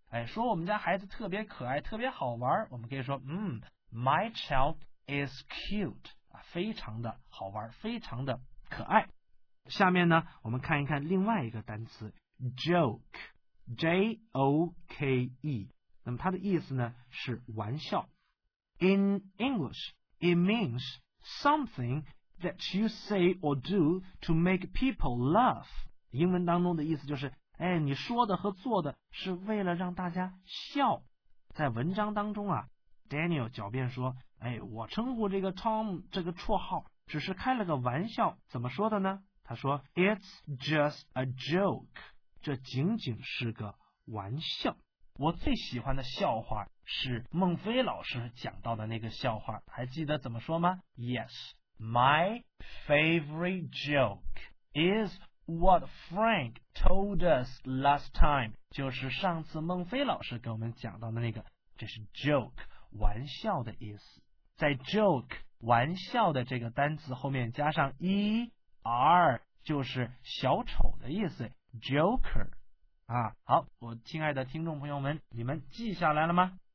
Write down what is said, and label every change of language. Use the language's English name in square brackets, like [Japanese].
[Chinese] 哎，说我们家孩子特别可爱特别好玩，我们可以说 [English] My child is cute， [Chinese] 非常的好玩，非常的可爱。下面呢我们看一看另外一个单词 joke， J-O-K-E。那么它的意思呢是玩笑。 [English] In English it meansSomething that you say or do to make people laugh. [Chinese] 英文当中的意思就是，哎，你说的和做的是为了让大家笑。在文章当中啊 ，Daniel 狡辩说，哎，我称呼这个 Tom 这个绰号只是开了个玩笑。怎么说的呢？他说 [English] ，It's just a joke. [Chinese] 这仅仅是个玩笑。我最喜欢的笑话是孟非老师讲到的那个笑话，还记得怎么说吗？ [English] Yes, my favorite joke is what Frank told us last time. [Chinese] 就是上次孟非老师给我们讲到的那个，这是 joke 玩笑的意思。在 joke 玩笑的这个单词后面加上 er 就是小丑的意思， joker。好，我亲爱的听众朋友们，你们记下来了吗？